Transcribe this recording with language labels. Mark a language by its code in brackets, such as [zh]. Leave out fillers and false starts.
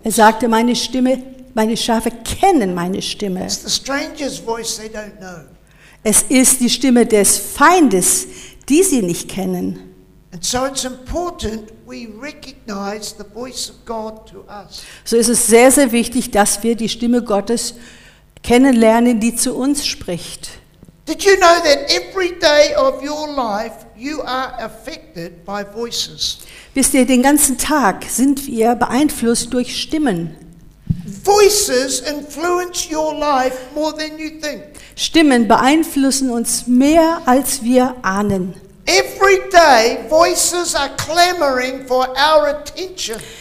[de] Er sagte, meine Stimme, meine Schafe kennen meine Stimme. [en] It's the stranger's voice they don't know. [de] Es ist die Stimme des Feindes, die sie nicht kennen. [en] And so it's important we recognize the voice of God to us. [de] So ist es sehr, sehr wichtig, dass wir die Stimme Gottes kennenlernen, die zu uns spricht. [en] Did you know that every day of your life you are affected by voices? [de] Wisst ihr, den ganzen Tag sind wir beeinflusst durch Stimmen. [en] Voices influence your life more than you think. [de] Stimmen beeinflussen uns mehr als wir ahnen. [en] Every day voices are clamoring for our attention.